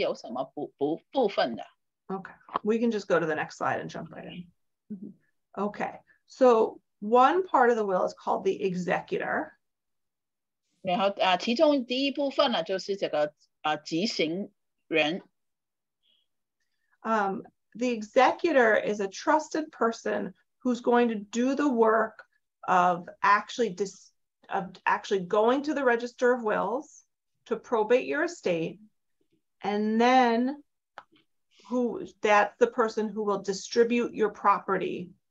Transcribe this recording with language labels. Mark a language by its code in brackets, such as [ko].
[zh] 他现在会非常在仔细去讲这个遗嘱里边是有什么部分的。 [en] Okay, we can just go to the next slide and jump right in. Okay, so one part of the will is called the executor. [zh] 然后其中第一部分呢，就是这个继承人。 [en] The executor is a trusted person who's going to do the work of actually going to the register of wills to probate your estate, and then that's the person who will distribute your property.